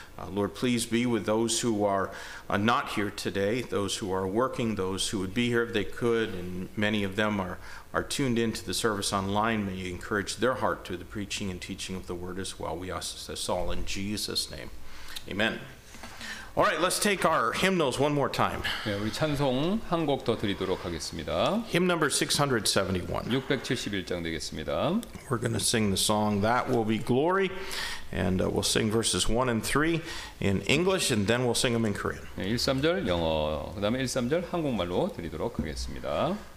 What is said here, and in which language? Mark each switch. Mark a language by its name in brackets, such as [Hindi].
[English] Lord, please be with those who are not here today, those who are working, those who would be here if they could, and many of them are tuned into the service online. May you encourage their heart to the preaching and teaching of the word as well. We ask this all in Jesus' name. Amen. All right, let's take our hymnals one more time. [Korean] 네, 우리 찬송 한 곡 더 드리도록 하겠습니다. [English] Hymn number 671. [Korean] 671장 되겠습니다. [English] We're going to sing the song That Will Be Glory, and we'll sing verses 1 and 3 in English, and then we'll sing them in Korean. [Korean] 네, 1, 3절 영어, 그 다음에 1, 3절 한국말로 드리도록 하겠습니다.